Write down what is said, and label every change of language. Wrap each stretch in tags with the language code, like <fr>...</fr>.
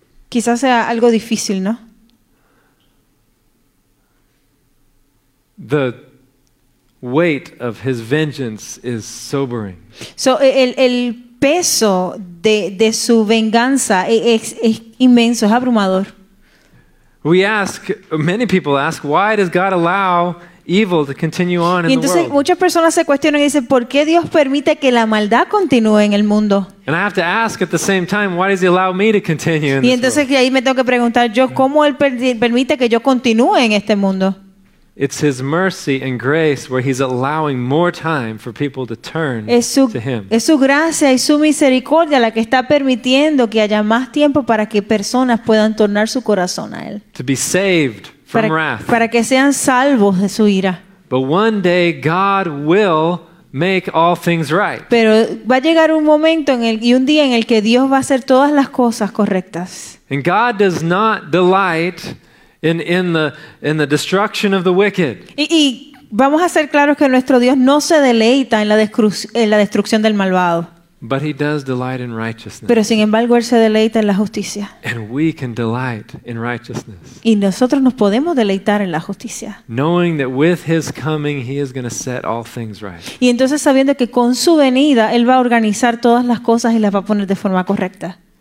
<es>Quizás sea algo difícil, ¿no?</es> <en>The weight of his vengeance is sobering.</en> <es>So el peso de su venganza es inmenso, es abrumador.</es> <en>We ask, many people ask, why does God allow evil to continue on in the world?</en> <es>Y entonces muchas personas se cuestionan y dicen, ¿por qué Dios permite que la maldad continúe en el mundo?</es> <en>And I have to ask at the same time, why does he allow me to continue in this world?</en> <es>Y entonces ahí me tengo que preguntar yo, ¿cómo él permite que yo continúe en este mundo?</es> <en>It's his mercy and grace where he's allowing more time for people to turn to him.</en> <es>Es su gracia y su misericordia la que está permitiendo que haya más tiempo para que personas puedan tornar su corazón a él.</es> <en>To be saved from wrath.</en> <es>Para que sean salvos de su ira.</es> <en>But one day God will make all things right.</en> <es>Pero va a llegar un momento y un día en el que Dios va a hacer todas las cosas correctas.</es> <en>And God does not delight in the destruction of the wicked.</en> <es>Y vamos a ser claros que nuestro Dios no se deleita en la destrucción del malvado.</es> <en>But he does delight in righteousness.</en> <es>Pero sin embargo él se deleita en la justicia.</es> <en>And we can delight in righteousness.</en> <es>Y nosotros nos podemos deleitar en la justicia.</es> <en>Knowing that with his coming he is going to set all things right.</en> <es>Y entonces sabiendo que con su venida él va a organizar todas las cosas y las va a poner de forma correcta.</es>